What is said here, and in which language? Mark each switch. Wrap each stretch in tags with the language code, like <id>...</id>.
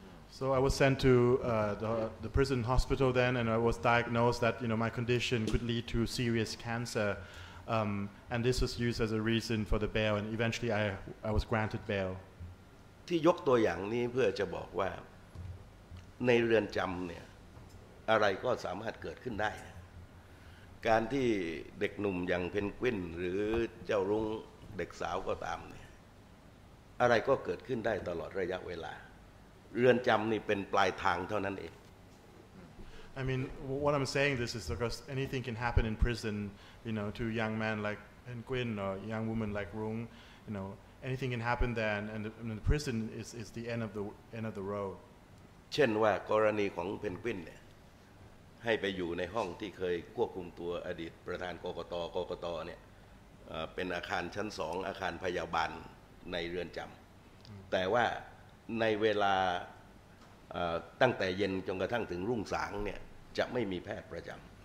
<en>So I was sent to the prison hospital then, and I was diagnosed that you know my condition could lead to serious cancer, and this was used as a reason for the bail. And eventually, I was granted bail.</en> <th>ที่ยกตัวอย่างนี้เพื่อจะบอกว่าในเรือนจำเนี่ยอะไรก็สามารถเกิดขึ้นได้การที่เด็กหนุ่มอย่างเพนกวินหรือเจ้ารุ้งเด็กสาวก็ตามเนี่ยอะไรก็เกิดขึ้นได้ตลอดระยะเวลาเรือนจำนี่เป็นปลายทางเท่านั้นเอง</th> <en>I mean what I'm saying this is because anything can happen in prison you know to young man like Penguin or young woman like Rung you know anything can happen there and the prison is the end of the road</en> <th>เช่นว่ากรณีของเพนกวินเนี่ยให้ไปอยู่ในห้องที่เคยควบคุมตัวอดีตประธานกกต. เนี่ยเป็นอาคารชั้น2อาคารพยาบาลในเรือนจำแต่ว่าในเวลาตั้งแต่เย็นจนกระทั่งถึงรุ่งสางเนี่ยจะไม่มีแพทย์ประจำ</th>